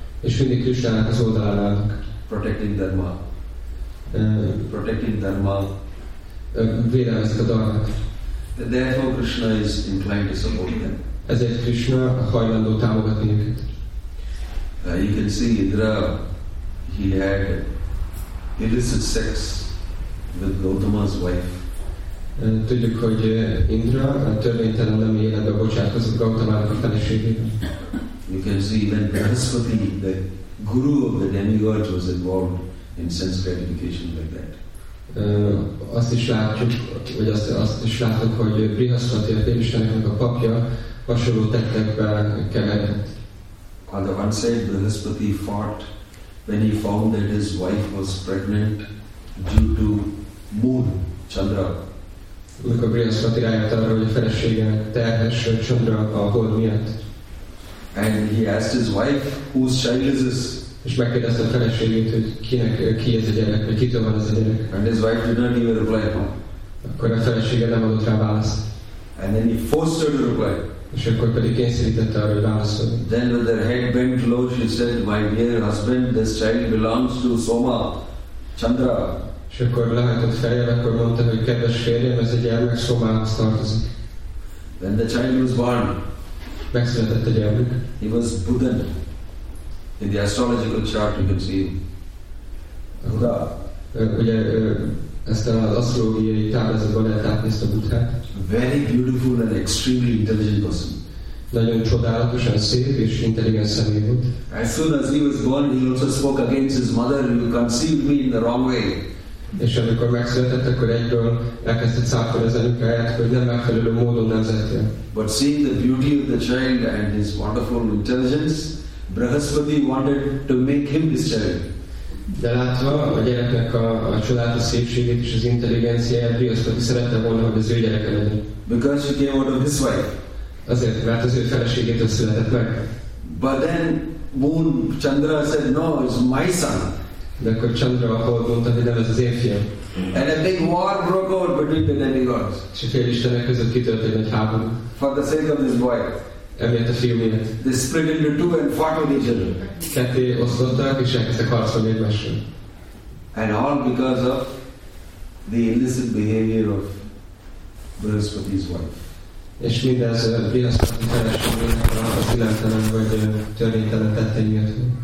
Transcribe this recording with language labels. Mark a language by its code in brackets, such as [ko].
[hu] És mindig Krishnának az oldalán állnak. [en] Protecting dharma. Protecting dharma. [hu] Védelmezik a dharmát. [en] Therefore Krishna is inclined to support them. [hu] Ezért Krishna hajlandó támogatni őket. [en] You can see Indra, he had illicit sex with Gautama's wife. [hu] Tudjuk, hogy Indra a törvénytelen nemi életbe bocsátkozott Gautamának a feleségében. [en] You can see even Brahaspati, the guru of the demigods, was involved in sense gratification like that. [hu] Azt is látjuk, vagy azt is látjuk, hogy Brihaspati, a Istennek a papja, hasonló tettekben keveredett. [en] On the one side, Brihaspati fought when he found that his wife was pregnant due to moon, Chandra. [hu] Amikor Brihaspati rájött arra, hogy a felesége terhes Chandra a hold miatt. [en] And he asked his wife, whose child is this? [hu] És megkérdezte a feleségét, hogy kinek, ki ez a gyerek, vagy kitől van ez a gyerek. [en] And his wife did not give a reply. [hu] Akkor a felesége nem adott rá választ. [en] And then he forced her to reply. [hu] És akkor pedig kényszerítette arra, hogy válaszol. [en] Then with her head bent low, she said, my dear husband, this child belongs to Soma, Chandra. [hu] És akkor lehetett fejjel, akkor mondta, hogy kedves férjem, ez a gyermek Somához tartozik. [en] Then the child was born. [hu] Megszületett a gyermek. [en] He was Budhan. In the astrological chart, you can see him. Buddha. [hu] Ugye ezt az asztrológiai táblázatban lehet látni ezt a Buddhát. [en] Very beautiful and extremely intelligent person. [hu] Nagyon csodálatosan szép és intelligens személy volt. [en] As soon as he was born, he also spoke against his mother, you conceived me in the wrong way. [hu] És amikor megszületett, akkor egyből elkezdett cáfolni az anyukáját, hogy nem megfelelő módon nevezte. [en] But seeing the beauty of the child and his wonderful intelligence, Brihaspati wanted to make him his child. [hu] De látva a gyereknek a csodálatos szépségét és az intelligenciáját, Brihaspati szerette volna, hogy az ő gyereke legyen. [en] Because she came out of his wife. [hu] Azért, mert az ő feleségétől született meg. [en] But then Moon Chandra said, no, it's my son. [hu] De akkor Chandra a hold mondta, hogy nem, ez az én fiam. [en] And a big war broke out between the demigods. [hu] És a fél istenek között kitört egy nagy háború. [en] For the sake of this boy. [hu] Emiatt a fiú miatt. [en] They split into two and fought with each other. [hu] Ketté osztották, és elkezdtek harcolni egymással. [en] And all because of the illicit behavior of Brihaspati's wife. [hu] És mindez Brihaspati feleségének a szülemtelen vagy törvénytelen tette miatt.